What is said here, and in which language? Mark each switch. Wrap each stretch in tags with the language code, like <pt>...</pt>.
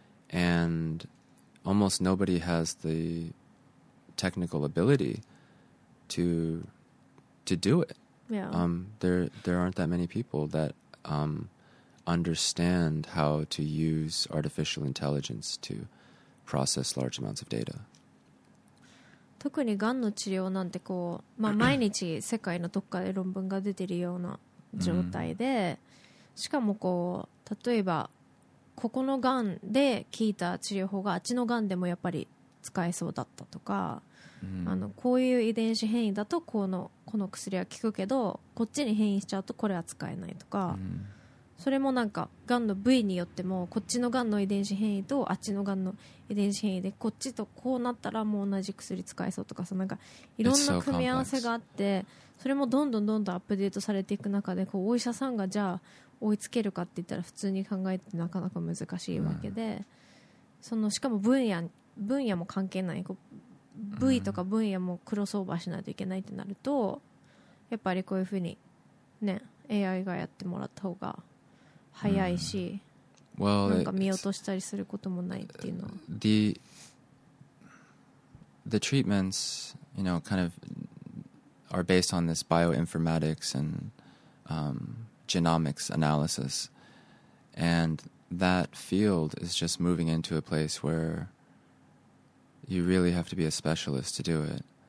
<en>And almost nobody has the technical ability to do it. Yeah. There aren't that many people that understand how to use artificial intelligence to process large amounts of data.</en> <ja>特にがんの治療なんてこう、まあ、毎日世界のどっかで論文が出てるような状態で、しかもこう例えばここのがんで効いた治療法があっちのがんでもやっぱり使えそうだったとか、こういう遺伝子変異だとこの薬は効くけどこっちに変異しちゃうとこれは使えないとか、それもなんかがんの部位によってもこっちのがんの遺伝子変異とあっちのがんの遺伝子変異でこっちとこうなったらもう同じ薬使えそうとかさ、なんかいろんな組み合わせがあって、それもどんどんどんどんアップデートされていく中でこうお医者さんがじゃあ追いつけるかって言ったら普通に考えてなかなか難しいわけで、そのしかも分野も関係ない、こう部位とか分野もクロスオーバーしないといけないってなると、やっぱりこういうふうにね AI がやってもらった方が早いし、</ja> <en>well,</en> <ja>なんか見落としたりすることもないっていうのは。</ja> <en>The treatments, you know, kind of are based on this bioinformatics and genomics analysis, and that field is just moving into a place where you really have to be a specialist to do it.</en>